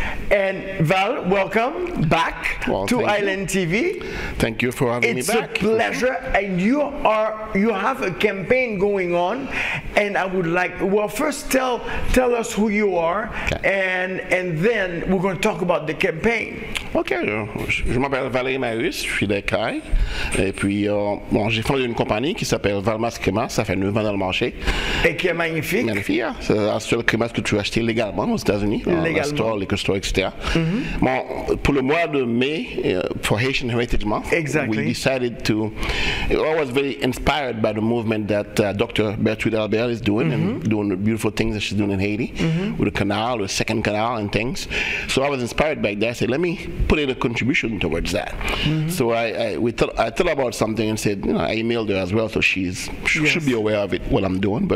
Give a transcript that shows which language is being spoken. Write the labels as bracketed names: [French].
[English] And Val, welcome back to Island TV. Thank you for having me back. It's a pleasure. And you have a campaign going on. And I would like, well, first tell us who you are. Okay. And then we're going to talk about the campaign. [French] Okay. Je m'appelle Valery Marius, je suis d'Ecaille. Et puis, bon, j'ai fondé une compagnie qui s'appelle Valmas Cremas. Ça fait 9 ans dans le marché. Et qui est magnifique. Magnifique, yeah. C'est la seule crémasse que tu as acheté légalement aux États-Unis. Légalement. Dans la store, les stores, etc. Mm-hmm. Bon, pour le mois de mai, [English] for Haitian Heritage Month, exactly. We decided to. I was very inspired by the movement that Dr. Bertrude Albert is doing, mm-hmm. and doing the beautiful things that she's doing in Haiti, mm-hmm. with the canal, the second canal, and things. So I was inspired by that. I said, let me put in a contribution towards that. Mm-hmm. So I thought about something and said, you know, I emailed her as well, so she should be aware of it, what I'm doing.